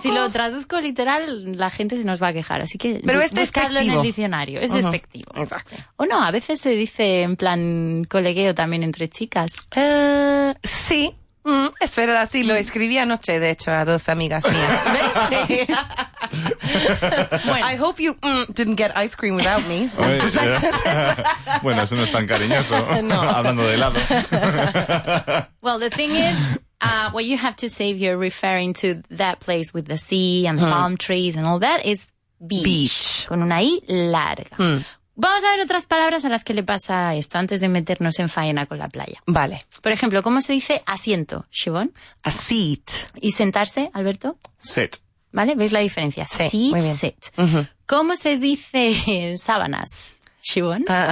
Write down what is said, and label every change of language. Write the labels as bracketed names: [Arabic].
[Spanish] si lo traduzco literal, la gente se nos va a quejar. Así que pero buscarlo en el diccionario. Es despectivo. Exacto. O no, a veces se dice en plan colegueo también entre chicas. Sí, es verdad. Sí, lo escribí anoche, de hecho, a dos amigas mías. Bueno. [English] I hope you didn't get ice cream without me. [Spanish] Oye, bueno, eso no es tan cariñoso. No. Hablando de helado. [English] Well, the thing is, what you have to say if you're referring to that place with the sea and palm trees and all that is beach. [Spanish] Con una I larga. Vamos a ver otras palabras a las que le pasa esto antes de meternos en faena con la playa. Vale. Por ejemplo, ¿cómo se dice asiento, Siobhan? [English] A seat. [Spanish] ¿Y sentarse, Alberto? [English] Sit. [Spanish] ¿Vale? ¿Veis la diferencia? Sí, muy bien. Sit. ¿Cómo se dice en sábanas, Siobhan?